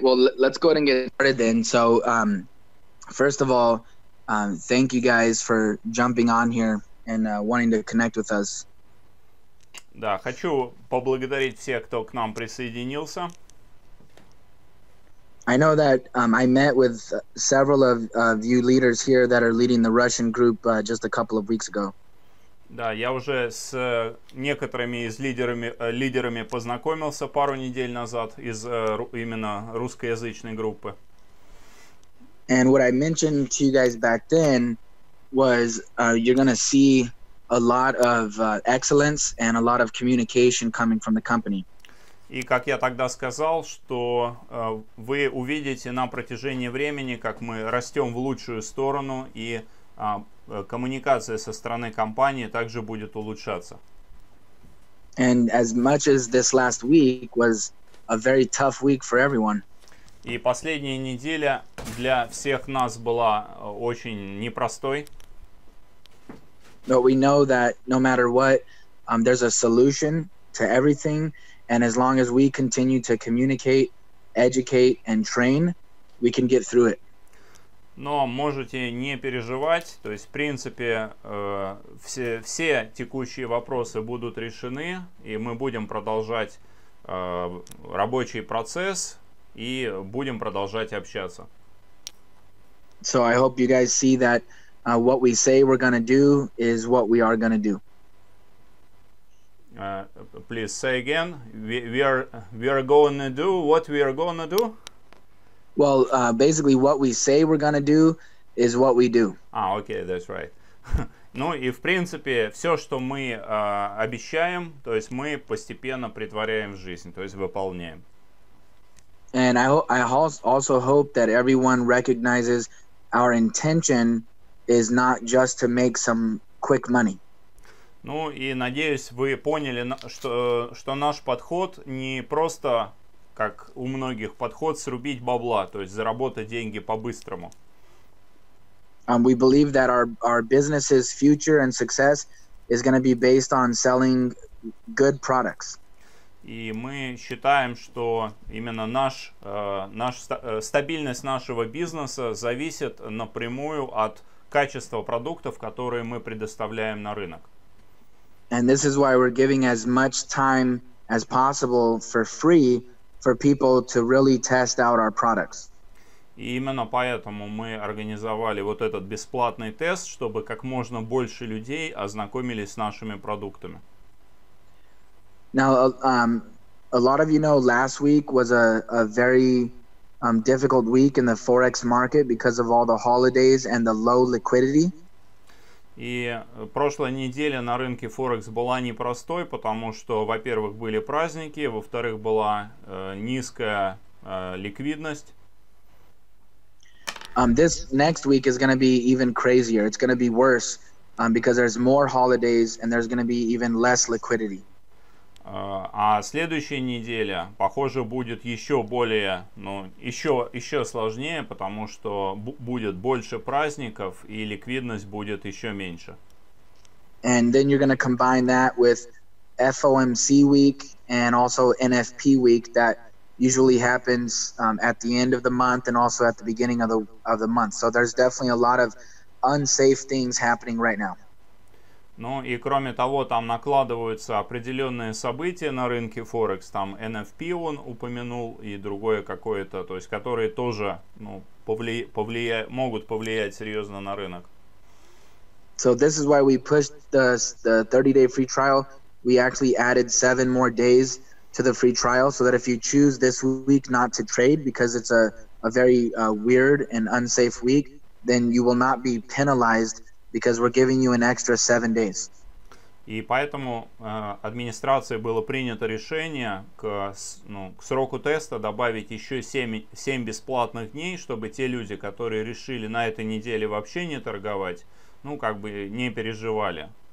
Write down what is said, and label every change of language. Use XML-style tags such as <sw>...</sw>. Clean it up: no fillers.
<en>Well, let's go ahead and get started then. So, first of all, thank you guys for jumping on here and wanting to connect with us.</en> <ru>Да, хочу поблагодарить всех, кто к нам присоединился.</ru> <en>I know that I met with several of you leaders here that are leading the Russian group just a couple of weeks ago.</en> <ru>Да, я уже с некоторыми из лидерами познакомился пару недель назад из именно русскоязычной группы.</ru> <en>And what I mentioned to you guys back then was you're going to see a lot of excellence and a lot of communication coming from the company.</en> <ru>И как я тогда сказал, что вы увидите на протяжении времени, как мы растем в лучшую сторону, и коммуникация со стороны компании также будет улучшаться.</ru> <en>And as much as this last week was a very tough week for everyone.</en> <ru>И последняя неделя для всех нас была очень непростой.</ru> <en>But we know that no matter what, there's a solution to everything. And as long as we continue to communicate, educate, and train, we can get through it.</en> <ru>Но можете не переживать. То есть, в принципе, все текущие вопросы будут решены, и мы будем продолжать рабочий процесс и будем продолжать общаться.</ru> <en>So I hope you guys see that what we say we're gonna do is what we are gonna do. Please say again. We are going to do what we are going to do. Well, basically, what we say we're going to do is what we do. Ah, okay, that's right.</en> <ru>Ну и в принципе все, что мы обещаем, то есть мы постепенно притворяем в жизнь, то есть выполняем.</ru> <en>And I also hope that everyone recognizes our intention is not just to make some quick money.</en> <ru>Ну и надеюсь, вы поняли, что наш подход не просто, как у многих, подход срубить бабла, то есть заработать деньги по-быстрому.</ru> <en>We believe that our business's future and success is going to be based on selling good products.</en> <ru>И мы считаем, что именно стабильность нашего бизнеса зависит напрямую от качества продуктов, которые мы предоставляем на рынок.</ru> <en>And this is why we're giving as much time as possible for free for people to really test out our products.</en> <ru>И именно поэтому мы организовали вот этот бесплатный тест, чтобы как можно больше людей ознакомились с нашими продуктами.</ru> <en>Now, a lot of you know last week was a very difficult week in the Forex market because of all the holidays and the low liquidity.</en> <ru>И прошлая неделя на рынке Форекс была непростой, потому что, во-первых, были праздники, во-вторых, была низкая ликвидность.</ru> <en>This next week is going to be even crazier. It's going to be worse because there's more holidays and there's going to be even less liquidity.</en> <ru>А следующая неделя, похоже, будет еще более, ну, еще сложнее, потому что будет больше праздников и ликвидность будет еще меньше.</ru> <en>And then you're going to combine that with FOMC week and also NFP week that usually happens at the end of the month and also at the beginning of the month. So there's definitely a lot of unsafe things happening right now.</en> <ru>Ну и кроме того, там накладываются определенные события на рынке Форекс, там NFP он упомянул и другое какое-то, то есть которые тоже могут повлиять серьезно на рынок.</ru> <en>So this is why we pushed the 30-day free trial. We actually added 7 more days to the free trial, so that if you choose this week not to trade, because it's a very weird and unsafe week, then you will not be penalized. Because we're giving you an extra 7 days.</en> <ru>И поэтому администрации было принято решение к сроку теста добавить еще 7 бесплатных дней, чтобы те люди, которые решили на этой неделе вообще не торговать, ну как бы не переживали.</ru>